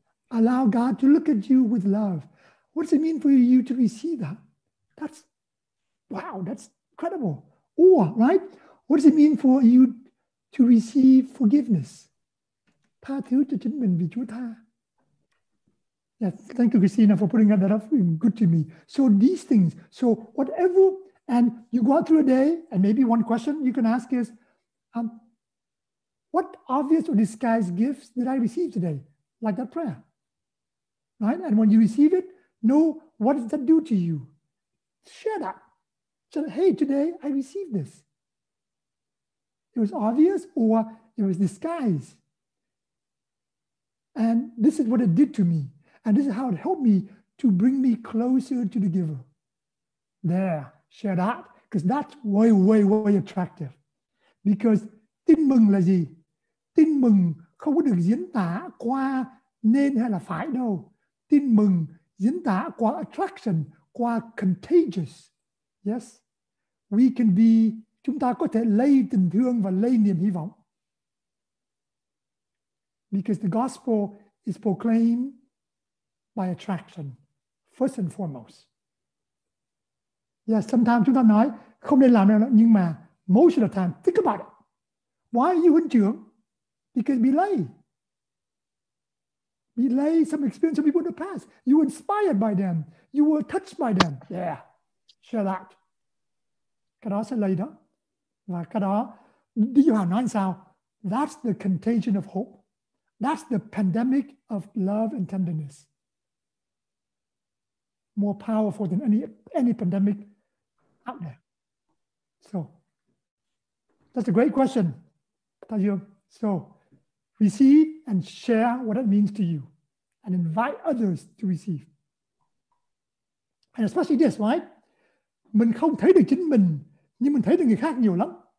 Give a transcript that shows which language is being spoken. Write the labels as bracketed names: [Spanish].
[English] Allow God to look at you with love. What does it mean for you to receive that? That's, wow, that's incredible. Or, right? What does it mean for you to receive forgiveness? [Vietnamese] Tha thứ cho chính mình vì Chúa tha. [English] Yes, thank you, Christina, for putting that up. Good to me. So these things, so whatever, and you go out through a day, and maybe one question you can ask is, what obvious or disguised gifts did I receive today? Like that prayer, right? And when you receive it, know what does that do to you? Share that. So, hey, today I received this. It was obvious or it was disguised. And this is what it did to me. And this is how it helped me to bring me closer to the giver. There, share that. Because that's way, way, way attractive. [Vietnamese] Because tin mừng là gì? Tin mừng không có được diễn tả qua nên hay là phải đâu. Tin mừng diễn tả qua attraction, qua contagious. Yes? [English] We can be, [Vietnamese] chúng ta có thể lây tình thương và lây niềm hy vọng. [English] Because the gospel is proclaimed by attraction, first and foremost. Yes, sometimes [Vietnamese] chúng ta nói, không nên làm nữa, nhưng mà [English] most of the time, think about it. Why are you in trường? Because we lay. We lay some experience of people in the past. You were inspired by them. You were touched by them. Yeah, share that. [Vietnamese] Cái đó sẽ lây đó. Và cái đó, đi vào nói sao? [English] That's the contagion of hope. That's the pandemic of love and tenderness. More powerful than any pandemic out there. So, that's a great question, Tayo. So, receive and share what it means to you and invite others to receive. And especially this, right? [Vietnamese] Mình không thấy được chính mình, nhưng mình thấy được người khác nhiều lắm.